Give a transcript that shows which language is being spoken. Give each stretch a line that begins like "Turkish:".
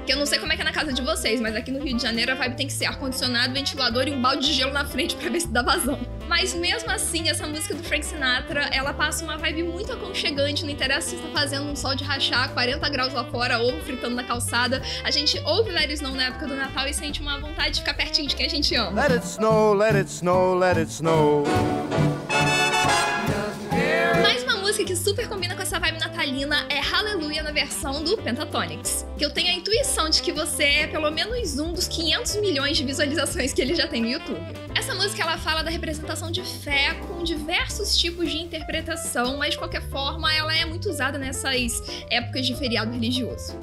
Portuguese: Que eu não sei como é que é na casa de vocês, mas aqui no Rio de Janeiro a vibe tem que ser ar-condicionado, ventilador e um balde de gelo na frente pra ver se dá vazão. Mas mesmo assim, essa música do Frank Sinatra, ela passa uma vibe muito aconchegante. Não interessa se está fazendo um sol de rachar, 40 graus lá fora, ovo fritando na calçada. A gente ouve Let It Snow na época do Natal e sente uma vontade de ficar pertinho de quem a gente ama.
English: Let it snow, let it snow, let it snow.
Portuguese: Mais uma música que super combina com essa vibe natalina é Hallelujah, na versão do Pentatonix. Que eu tenho a intuição de que você é pelo menos um dos 500 milhões de visualizações que ele já tem no YouTube. Essa música, ela fala da representação de fé com diversos tipos de interpretação, mas de qualquer forma, ela é muito usada nessas épocas de feriado religioso.